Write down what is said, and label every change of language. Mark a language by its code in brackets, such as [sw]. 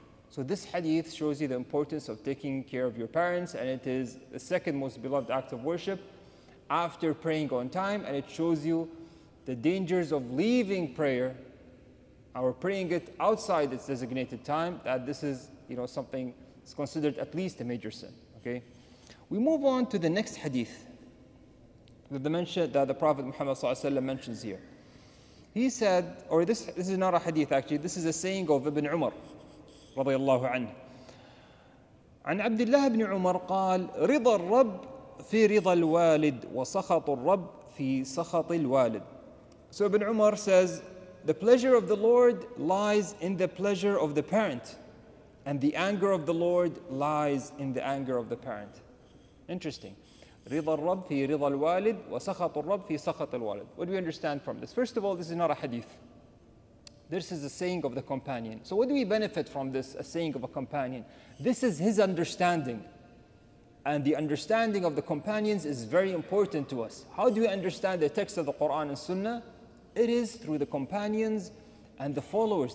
[en] So this hadith shows you the importance of taking care of your parents, and it is the second most beloved act of worship after praying on time, and it shows you the dangers of leaving prayer or praying it outside its designated time, that this is, you know, something that's considered at least a major sin. Okay, we move on to the next hadith that the Prophet Muhammad sallallahu alaihi wasallam mentions here. He said, or this is not a hadith actually, this is a saying of Ibn Umar [ar] رضي الله عنه عن عبد الله بن عمر قال رضا الرب في رضا الوالد وسخط الرب في سخط الوالد. [en] So Ibn Umar says, the pleasure of the Lord lies in the pleasure of the parent, and the anger of the Lord lies in the anger of the parent. Interesting. [ar] رضا الرب في رضا الوالد وسخط الرب في سخط الوالد. [en] What do we understand from this? First of all, this is not a hadith. This is a saying of the companion. So what do we benefit from this, a saying of a companion? This is his understanding. And the understanding of the companions is very important to us. How do we understand the text of the Quran and Sunnah? It is through the companions and the followers.